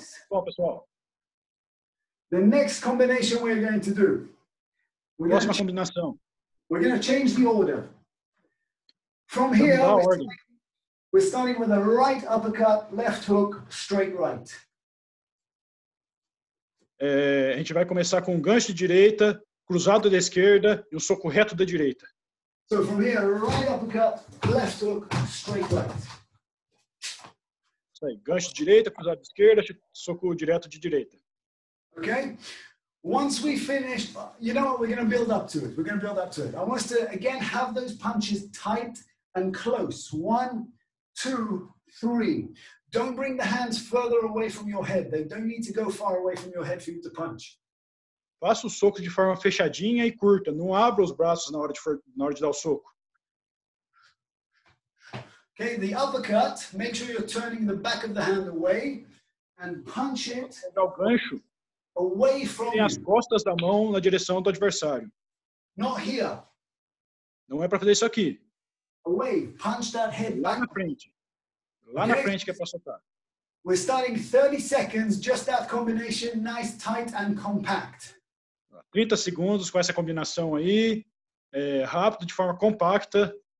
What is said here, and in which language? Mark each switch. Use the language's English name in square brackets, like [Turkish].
[Portuguese] Bom, pessoal. [English] The next combination we're going to do. We're going to change the order. From here, we're starting with a right uppercut, left hook, straight right. [Portuguese] É, a gente vai começar com um gancho de direita, cruzado da esquerda e um soco reto da direita. [English] So from here, right uppercut, left hook, straight left. [Portuguese] Aí, gancho de direita, cruzado de esquerda, soco direto de direita. [English] Okay. Once we finish, you know what, we're going to build up to it. We're going to build up to it. I want us to, again, have those punches tight and close. One, two, three. Don't bring the hands further away from your head. They don't need to go far away from your head for you to punch. [Portuguese] Faça o soco de forma fechadinha e curta. Não abra os braços na hora de dar o soco. [English] Okay, the uppercut, make sure you're turning the back of the hand away and punch it away from you. [Portuguese] Em as costas da mão na direção do adversário. [English] Not here. [Portuguese] Não é para fazer isso aqui. [English] Away, punch that head. [Portuguese] Lá na frente. Lá na frente que é para soltar. [English] We're starting 30 seconds, just that combination, nice, tight and compact. [Portuguese] 30 segundos com essa combinação aí, rápido, de forma compacta.